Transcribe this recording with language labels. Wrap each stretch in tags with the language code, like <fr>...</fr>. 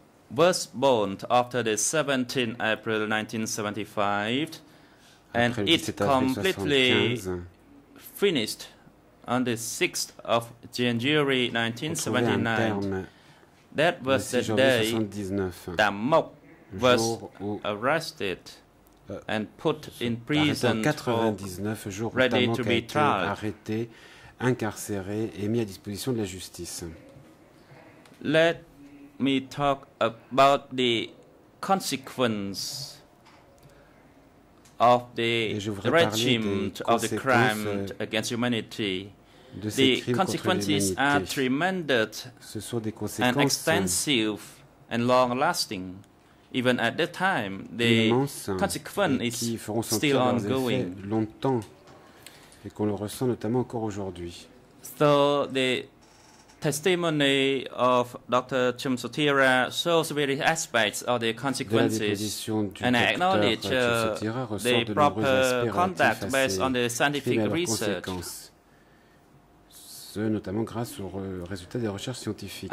<en>was born after the 17th April 1975 and it completely finished on the 6th of January 1979, that was the day Damok was arrested and put in prison for ready to be tried,</en> <fr>arrêté, incarcéré et mis à disposition de la justice.</fr> <en>Let me talk about the consequence of the regime of the crime against humanity. The consequences are tremendous and extensive and long-lasting. Even at that time, the consequence is still ongoing.</en> <fr>Longtemps, et qu'on le ressent notamment encore aujourd'hui.</fr> <en>So the testimony of Dr. Chhim Sothera shows various aspects of the consequences, and I acknowledge the proper conduct based on the scientific research.</en> <fr>Notamment grâce aux résultats des recherches scientifiques.</fr>